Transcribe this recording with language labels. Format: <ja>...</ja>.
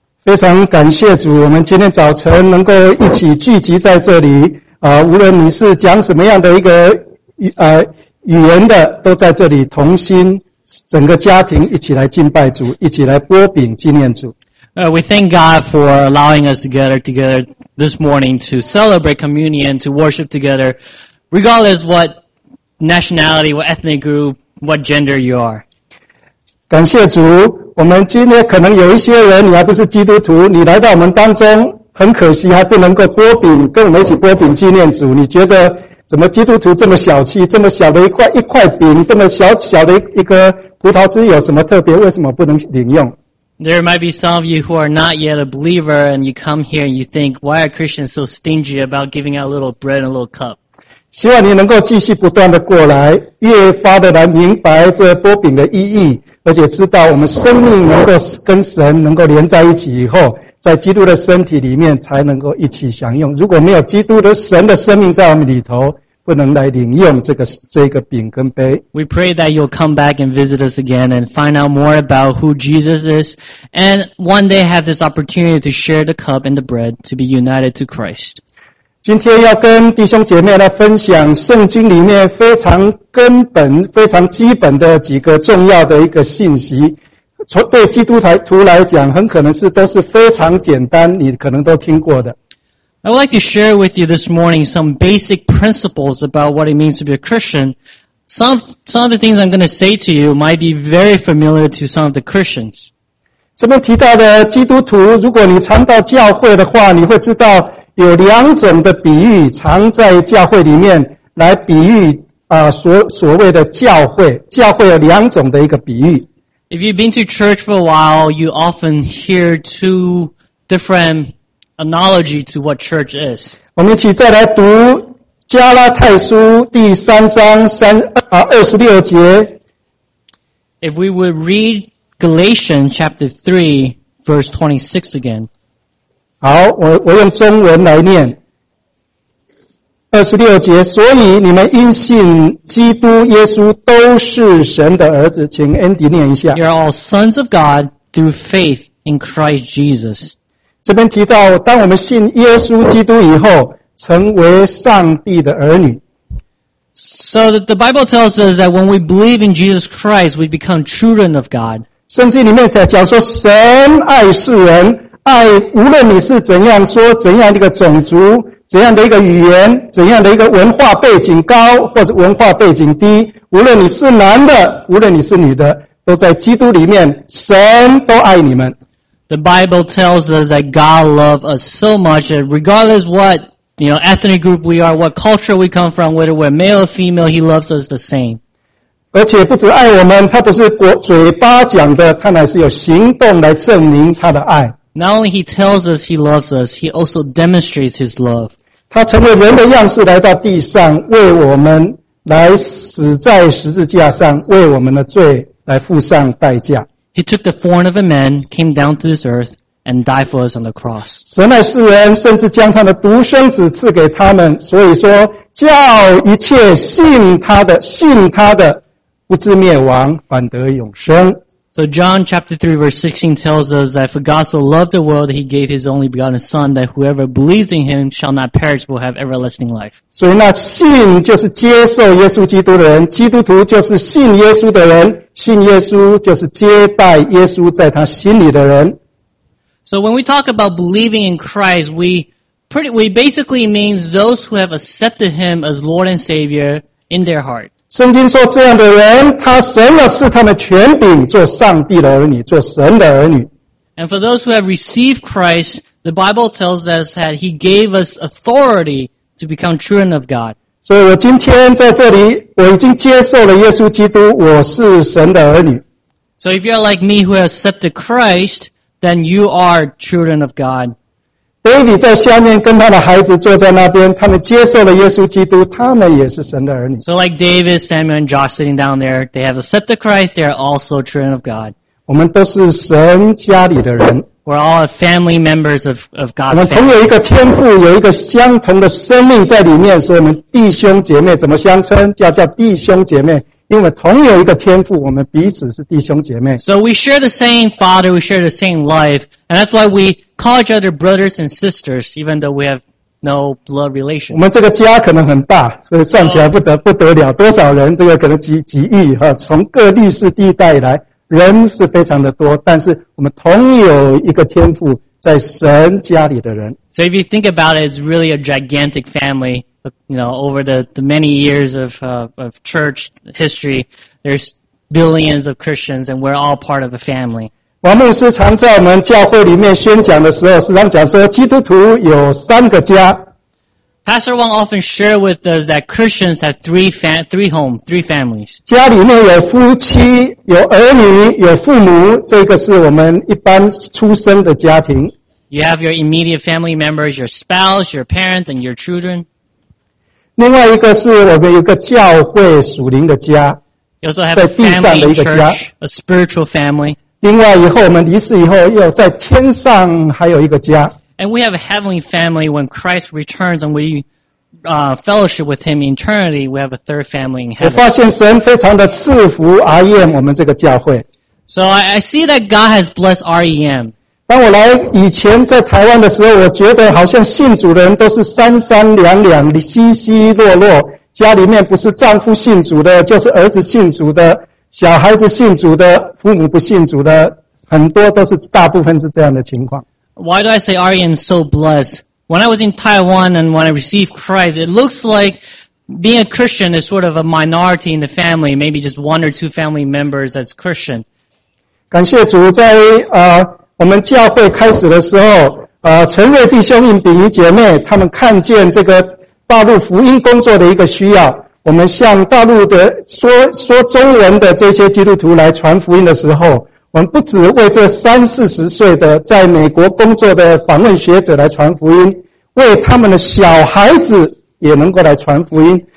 <zh>非常感谢主，我们今天早晨能够一起聚集在这里，无论你是讲什么样的一个语言的，都在这里同心，整个家庭一起来敬拜主，一起来擘饼纪念主。</zh> <en>We thank God for allowing us together this morning to celebrate communion, to worship together, regardless what nationality, what ethnic group, what gender you are.</en> <zh>感谢主。我们今天可能有一些人你还不是基督徒，你来到我们当中很可惜还不能够擘饼跟我们一起擘饼纪念主，你觉得怎么基督徒这么小气，这么小的一块饼，这么小小的一个葡萄汁有什么特别，为什么不能领用？</zh> <en>There might be some of you who are not yet a believer and you come here and you think, why are Christians so stingy about giving out a little bread and a little cup?</en> <zh>希望你能够继续不断的过来，越发的来明白这擘饼的意义，而且知道我们生命能够跟神能够连在一起以后，在基督的身体里面才能够一起享用。如果没有基督的神的生命在我们里头，不能来领用这个饼跟杯。</zh> <en>We pray that you'll come back and visit us again and find out more about who Jesus is and one day have this opportunity to share the cup and the bread to be united to Christ.</en> <zh>今天要跟弟兄姐妹来分享圣经里面非常根本非常基本的几个重要的一个信息，从对基督徒来讲很可能是都是非常简单你可能都听过的。</zh> <en>I would like to share with you this morning some basic principles about what it means to be a Christian. Some of the things I'm going to say to you might be very familiar to some of the Christians.</en> <zh>这边提到的基督徒，如果你常到教会的话，你会知道有两种的比喻常在教会里面来比喻所谓的教会，教会有两种的一个比喻。</zh> <en>If you've been to church for a while, you often hear two different analogy to what church is.</en> <zh>我们一起再来读加拉太书第三章26节。</zh> <en>If we would read Galatians chapter 3, verse 26 again.</en> <zh>好，我用中文来念。 26节，所以你们因信基督耶稣都是神的儿子，请 Andy 念一下。</zh> <en>You are all sons of God through faith in Christ Jesus.</en> <zh>这边提到，当我们信耶稣基督以后，成为上帝的儿女。</zh> <en>So the Bible tells us that when we believe in Jesus Christ, we become children of God.</en> <zh>圣经里面在讲说，神爱世人，爱无论你是怎样说怎样的一个种族，怎样的一个语言，怎样的一个文化背景高或者文化背景低，无论你是男的，无论你是女的，都在基督里面，神都爱你们。</zh> <en>The Bible tells us that God loves us so much that regardless what, you know, ethnic group we are, what culture we come from, whether we're male or female, He loves us the same.</en> <zh>而且不只爱我们，他不是嘴巴讲的，他乃是有行动来证明他的爱。</zh> <en>Not only he tells us he loves us, he also demonstrates his love.</en> <zh>他成为人的样式来到地上，为我们来死在十字架上，为我们的罪来付上代价。</zh> <en>He took the form of a man, came down to this earth, and died for us on the cross.</en> <zh>神爱世人，甚至将他的独生子赐给他们，所以说叫一切信他的不至灭亡，反得永生。</zh> <en>So John chapter 3 verse 16 tells us that for God so loved the world that he gave his only begotten son that whoever believes in him shall not perish but have everlasting life.</en> <zh>所以那信就是接受耶稣基督的人，基督徒就是信耶稣的人，信耶稣就是接待耶稣在他心里的人。</zh> <en>So when we talk about believing in Christ, we basically means those who have accepted him as Lord and Savior in their heart.</en> <zh>圣经说这样的人他神的是他们权柄做上帝的儿女做神的儿女。</zh> <en>And for those who have received Christ, the Bible tells us that he gave us authority to become children of God.</en> <zh>所以我今天在这里我已经接受了耶稣基督我是神的儿女。</zh> <en>So if you are like me who has accepted Christ, then you are children of God.</en> <zh>Baby 在下面跟他的孩子坐在那边，他们接受了耶稣基督，他们也是神的儿女。</zh> <en>So like David, Samuel, and Josh sitting down there, they have accepted Christ. They are also children of God.</en> <zh>我们都是神家里的人。</zh> <en>We're all family members of God.</en> <zh>我们同有一个天父，有一个相同的生命在里面，所以我们弟兄姐妹怎么相称？叫弟兄姐妹，因为同有一个天父，我们彼此是弟兄姐妹。</zh> <en>So we share the same Father, we share the same life, and that's why we call each other brothers and sisters, even though we have no blood relation.</en> <zh>我们这个家可能很大，所以算起来不得了，多少人？这个可能几亿哈，从各历史地带来，人是非常的多。但是我们同有一个天父，在神家里的人。</zh> <en>So if you think about it, it's really a gigantic family. You know, over the many years of church history, there's billions of Christians, and we're all part of a family.</en> <zh>王牧师常在我们教会里面宣讲的时候，时常讲说，基督徒有三个家。</zh> <en>Pastor Wang often shared with us that Christians have three homes, three families.</en> <zh>家里面有夫妻，有儿女，有父母，这个是我们一般出生的家庭。</zh> <en>You have your immediate family members, your spouse, your parents, and your children.</en> <zh>另外一个是我们有个教会属灵的家。</zh> <en>You also have a family church, a spiritual family.</en> <zh>另外以后我们离世以后又在天上还有一个家。</zh> <en>And we have a heavenly family when Christ returns and we fellowship with Him in eternity, we have a third family in heaven.</en> <zh>我发现神非常的赐福 REM 我们这个教会。</zh> <en>So I see that God has blessed REM.</en> <zh>当我来以前在台湾的时候，我觉得好像信主的人都是三三两两，稀稀落落，家里面不是丈夫信主的，就是儿子信主的，小孩子信主的，父母不信主的，很多都是大部分是这样的情况。</zh> <en>Why do I say REM is so blessed? When I was in Taiwan and when I received Christ, it looks like being a Christian is sort of a minority in the family, maybe just one or two family members that's Christian.</en> <zh>感谢主，在我们教会开始的时候，陈瑞弟兄、尹秉仪姐妹，他们看见这个大陆福音工作的一个需要，我们向大陆的说中文的这些基督徒来传福音的时候，我们不只为这三四十岁的在美国工作的访问学者来传福音，为他们的小孩子也能够来传福音。</zh>